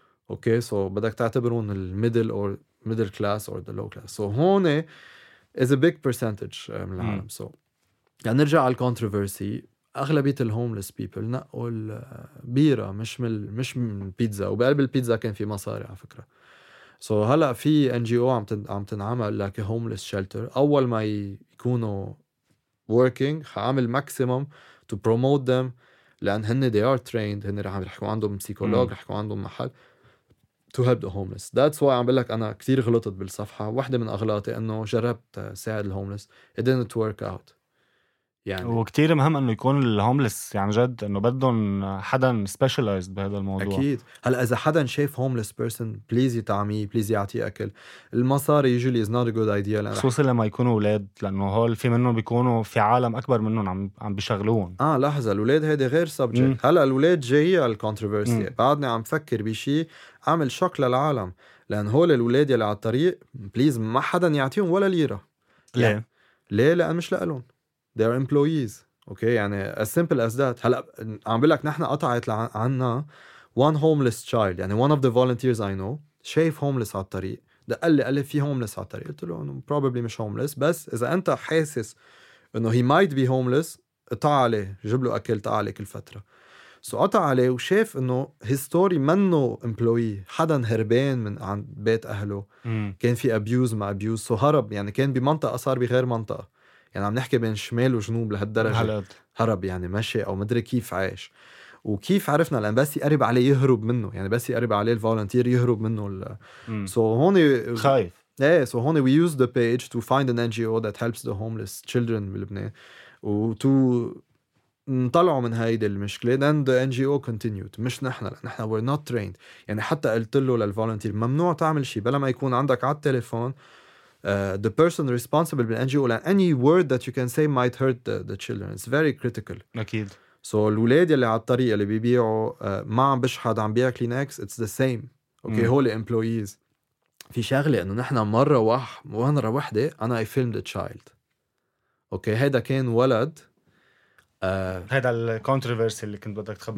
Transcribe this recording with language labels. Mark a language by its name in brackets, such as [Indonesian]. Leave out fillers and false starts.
[Arabic] أوكي سو بدك تعتبرون الميدل أو ميدل كلاس أو the low class. سو هون is a big percentage من العالم. سو يعني نرجع على الكونتروفرسي. أغلبية الهوملس بيبل نقوا البيرة مش من البيتزا. وبقلب البيتزا كان في مصاري على فكرة. سو هلأ في NGO عم تنعمل لك هوملس شيلتر. أول ما يكونوا working حعمل maximum to promote them لأن هن [English] they are trained. [Arabic] هن رح يحكوا عندهم سيكولوج رح يحكوا عندهم محل to help the homeless. That's why عم بقلك أنا كتير غلطت بالصفحة. واحدة من أغلاطي أنه جربت ساعد الهوملس [English] it didn't work out. [Arabic] يعني وكتير مهم أنه يكون الهوملس يعني جد أنه بدهم حدا specialized بهذا الموضوع. أكيد. هلأ إذا حدا شايف homeless person please يتعميه please يعطيه أكل. المصاري [English] usually is not a good idea [Arabic] خصوصا لما يكونوا أولاد لأنه هول في منهم بيكونوا في عالم أكبر منهم عم بيشغلون. لحظة الأولاد هيدا غير subject. هلأ الأولاد جاية الcontroversy. بعدني عم فكر بشي عمل شوك للعالم لأن هول الأولاد يلي على الطريق please ما حدا يعطيهم ولا ليرة. ليه؟ ليه؟ لأن مش لقلهم. [English] They are employees. Okay, يعني as simple as that. [Arabic] هلأ عم بيقولك نحن قطعت عنا one homeless child. يعني one of the volunteers I know شايف homeless على الطريق. ده قال لي في homeless على الطريق. قلت له probably مش homeless. بس إذا أنت حاسس إنه [English] he might be homeless [Arabic] قطع عليه. جيب له أكل قطع عليه كل فترة. So قطع عليه وشايف إنه his story منه employee. حدا هربان من عند بيت أهله. كان في abuse ما abuse. So هرب يعني كان بمنطقة صار بغير منطقة. يعني عم نحكي بين شمال وجنوب لهالدرجة هلد. هرب يعني ماشي أو مدري كيف عايش وكيف عرفنا لأن بس يقرب عليه يهرب منه يعني بس يقرب عليه الفولنتير يهرب منه سو هوني خايف [English] ايه سو هوني we use the page to find an NGO that helps the homeless children [Arabic] بلبنان وتو نطلعوا من هيدا المشكلة [English] then the NGO continued [Arabic] مش نحن لأن نحن [English] we're not trained [Arabic] يعني حتى قلت له للفولنتير ممنوع تعمل شيء بلا ما يكون عندك على التليفون [English] the person responsible بالـ NGO and any word that you can say might hurt the children. It's very critical. [Arabic] أكيد. So الولاد اللي على الطريق اللي بيبيعوا ما عم بشحد عم بيع كلينكس [English] it's the same. [Arabic] Okay. هولي employees. في شغلة انه نحن مرة وانرة واحدة أنا [English] I filmed a child. [Arabic] Okay. هيدا كان ولد هذا الكونتروفيرسي اللي كنت بدك تخبر